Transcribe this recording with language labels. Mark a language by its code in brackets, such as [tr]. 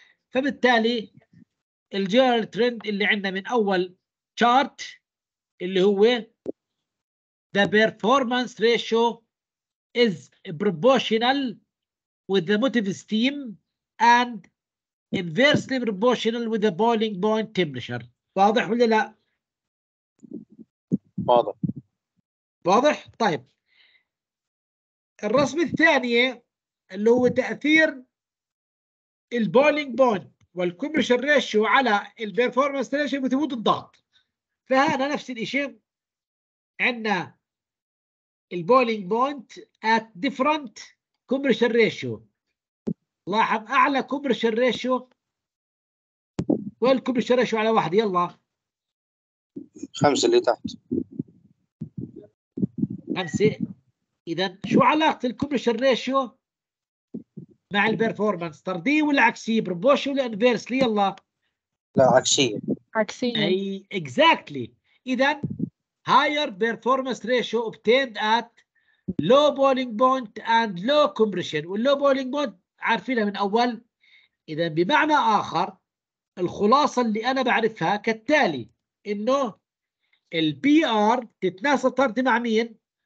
[ar] فبالتالي الجنرال ترند اللي عندنا من أول [en] chart [ar] اللي هو [en] the performance ratio is proportional with the motive steam and inversely proportional with the boiling point temperature. [ar] واضح ولا لا؟ واضح. واضح؟ طيب الرسم الثانية اللي هو تأثير البولينج بوينت والكومبريشن ريشيو على البيرفورمانس ريشيو بثبوت الضغط. فهنا نفس الاشي، عندنا البولينج بوينت [en] at different compression ratio. [ar] لاحظ اعلى كومبريشن ريشيو والكومبريشن ريشيو على واحد. يلا خمسة اللي تحت خمسة. اذا شو علاقة الكومبريشن ريشيو مع البرفورمانس؟ طردي ولا عكسي؟ بروبوشن ولا انفيرسلي؟ يلا لا عكسي. عكسي اي اكزاكتلي. اذا [en] higher performance ratio obtained at low boiling point and low compression. [ar] واللو boiling point عارفينها من أول. إذا بمعنى آخر الخلاصة اللي أنا بعرفها كالتالي، إنه الـ PR تتناسب طردي مع مين؟